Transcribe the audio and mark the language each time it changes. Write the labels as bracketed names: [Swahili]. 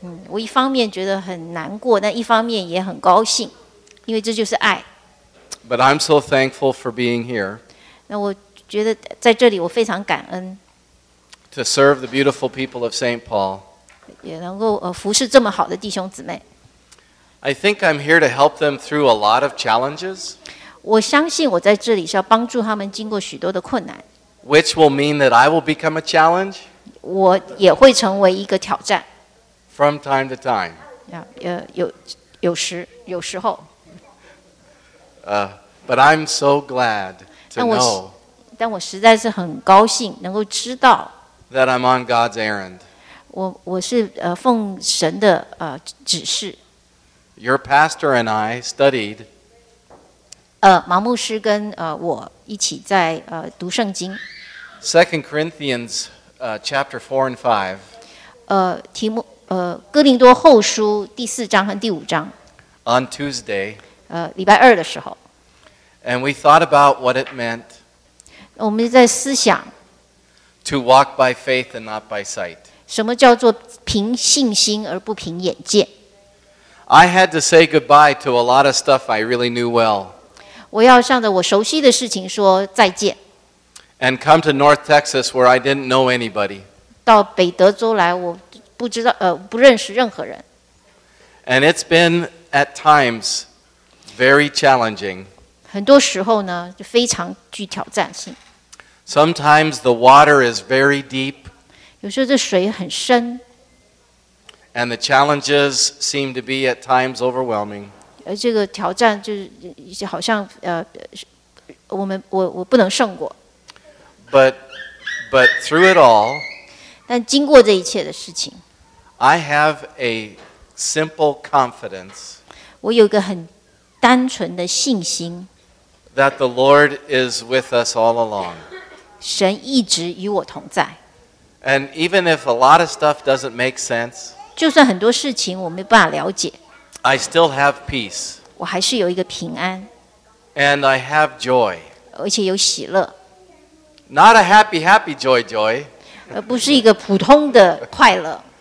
[Chinese] 我一方面觉得很难过，但一方面也很高兴，因为这就是爱。 [English] But I'm so thankful for being here. [Chinese] 那我觉得在这里我非常感恩。 [English] To serve the beautiful people of St. Paul. [Chinese] 也能够服侍这么好的弟兄姊妹。 [English] I think I'm here to help them through a lot of challenges. [Chinese] 我相信我在这里是要帮助他们经过许多的困难。 [English] Which will mean that I will become a challenge. [Chinese] 我也会成为一个挑战。 [English] From time to time. [Chinese] 有时候。 [English] But I'm so glad to know. [Chinese] 但我实在是很高兴能够知道。 [English] That I'm on God's errand. [Chinese] 我是奉神的指示。 [English] Your pastor and I studied. [Chinese] 马牧师跟我一起在读圣经。 [English] Second Corinthians, chapter 4 and 5. [Chinese] 题目哥林多后书第四章和第五章。 [English] On Tuesday. [Chinese] 礼拜二的时候。 [English] And we thought about what it meant. [Chinese] 我们在思想。 [English] To walk by faith and not by sight. [Chinese] 什么叫做凭信心而不凭眼见？ [English] I had to say goodbye to a lot of stuff I really knew well. [Chinese] 我要向着我熟悉的事情说再见。 [English] And come to North Texas where I didn't know anybody. [Chinese] 到北德州来，我不知道不认识任何人。 [English] And it's been at times very challenging. [Chinese] 很多时候呢，就非常具挑战性。 [English] Sometimes the water is very deep. [Chinese] 有时候这水很深。 [English] And the challenges seem to be at times overwhelming. [Chinese] 这个挑战就是好像我不能胜过。 [English] But through it all, [Chinese] 但经过这一切的事情 [English] I have a simple confidence. [Chinese] 我有一个很单纯的信心 [English] that the Lord is with us all along. [Chinese] 神一直与我同在。 [English] And even if a lot of stuff doesn't make sense, [Chinese] 就算很多事情我没办法了解 [English] I still have peace. [Chinese] 我还是有一个平安 [English] And I have joy. [Chinese] 而且有喜乐 [English] Not a happy, happy joy. [Chinese] 不是一个普通的快乐